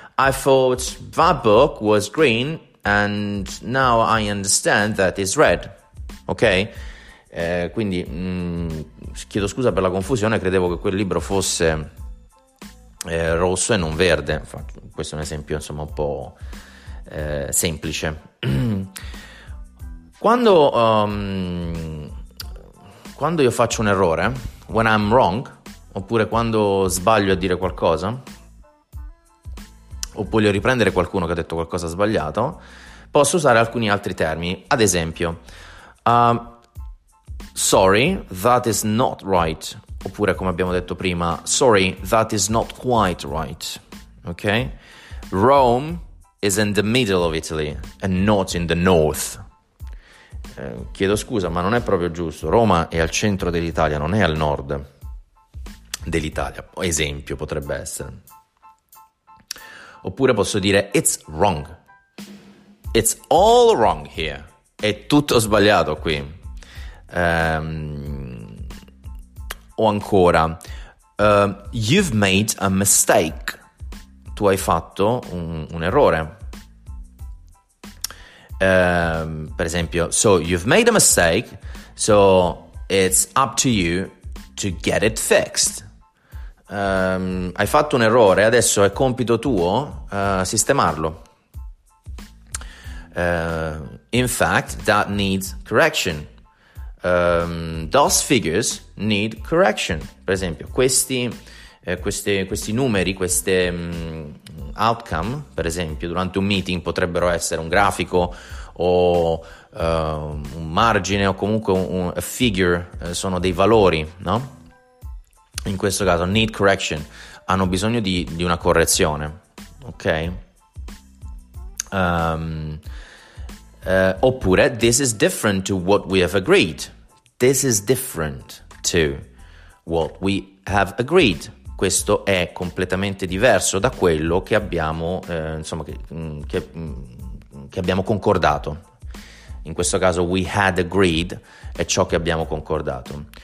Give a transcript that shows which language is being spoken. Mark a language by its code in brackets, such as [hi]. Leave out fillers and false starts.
[en] I thought that book was green and now I understand that it's red. Ok? [it] Quindi, chiedo scusa per la confusione, credevo che quel libro fosse rosso e non verde. Infatti, questo è un esempio, insomma, un po' semplice. Quando io faccio un errore, [en] when I'm wrong, [it] oppure quando sbaglio a dire qualcosa, o voglio riprendere qualcuno che ha detto qualcosa sbagliato, posso usare alcuni altri termini. Ad esempio, [en] sorry, that is not right. [it] Oppure, come abbiamo detto prima, [en] sorry, that is not quite right. Ok? Rome is in the middle of Italy and not in the north. [it] Chiedo scusa, ma non è proprio giusto. Roma è al centro dell'Italia, non è al nord dell'Italia. Esempio potrebbe essere. Oppure posso dire: [en] it's wrong. It's all wrong here. [it] È tutto sbagliato qui. O ancora: [en] you've made a mistake. [it] Tu hai fatto un errore. Per esempio: [en] so you've made a mistake, so it's up to you to get it fixed. [it] Hai fatto un errore, adesso è compito tuo sistemarlo. [en] In fact, that needs correction. Those figures need correction. [it] Per esempio, questi numeri, queste outcome, per esempio, durante un meeting potrebbero essere un grafico o un margine o comunque a figure, sono dei valori, no? In questo caso, [en] need correction, [it] hanno bisogno di una correzione, ok? [en] Oppure, this is different to what we have agreed. This is different to what we have agreed. [it] Questo è completamente diverso da quello che abbiamo, insomma, che abbiamo concordato. In questo caso, [en] we had agreed, [it] è ciò che abbiamo concordato.